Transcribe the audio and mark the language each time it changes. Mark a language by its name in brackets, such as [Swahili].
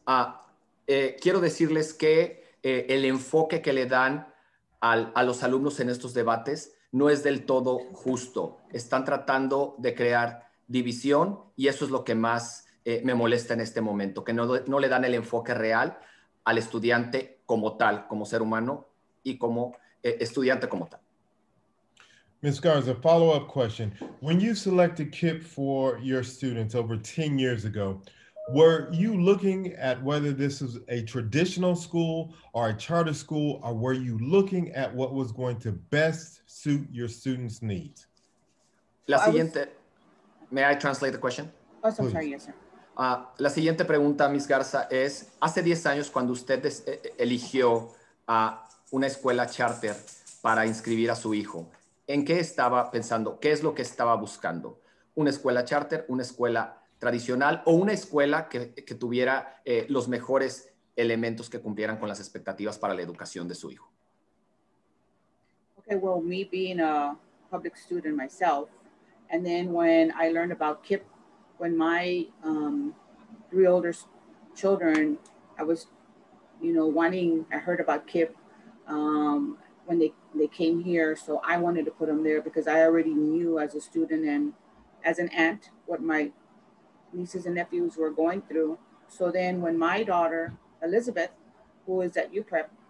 [Spanish] Quiero decirles que el enfoque que le dan a los alumnos en estos debates no es del todo justo. Están tratando de crear división y eso es lo que más me molesta en este momento, que no le dan el enfoque real al estudiante como tal, como ser humano y como estudiante como tal. [English] Ms. Garza, follow-up question. When you selected KIPP for your students over 10 years ago, were you looking at whether this is a traditional school or a charter school, or were you looking at what was going to best suit your students' needs? [Spanish] La siguiente, [English] may I translate the question? Oh, I'm sorry, yes, sir. [Spanish] La siguiente pregunta, Ms. Garza, es, hace 10 años cuando usted eligió una escuela charter para inscribir a su hijo, ¿en qué estaba pensando? ¿Qué es lo que estaba buscando? ¿Una escuela charter, una escuela tradicional o una escuela que tuviera los mejores elementos que cumplieran con las expectativas para la educación de su hijo? [English] Okay, well, me being a public student myself, and then when I learned about KIPP, when my three older children, I was, you know, I heard about KIPP when they came here, so I wanted to put them there because I already knew as a student and as an aunt what my nieces and nephews were going through. So then when my daughter, Elizabeth, who is at UPREP,